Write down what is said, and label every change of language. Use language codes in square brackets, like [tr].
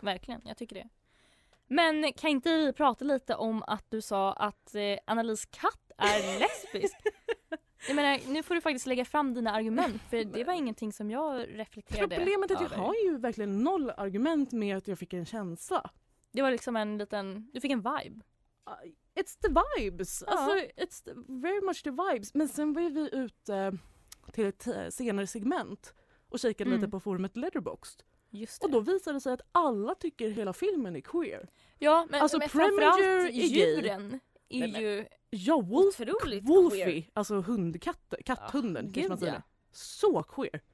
[sv] Verkligen, jag tycker det. Men kan inte vi prata lite om att du sa att Annelise Katt är lesbisk? Jag menar, nu får du faktiskt lägga fram dina argument, för det var ingenting som jag reflekterade. Problemet är att jag har ju verkligen noll argument med att jag fick en känsla. Det var liksom en liten, du fick en vibe. [en] It's the vibes. Ja. Alltså, it's very much the vibes. [sv] Men sen var vi ute till ett senare segment och kikade lite på forumet Letterboxd. Just det. Och då visade det sig att alla tycker hela filmen är queer. Ja, men, alltså, men framförallt är djuren är ju ja, otroligt Wolfie, queer. Alltså katthunden, ja, kanske man säger. Ja. Så queer.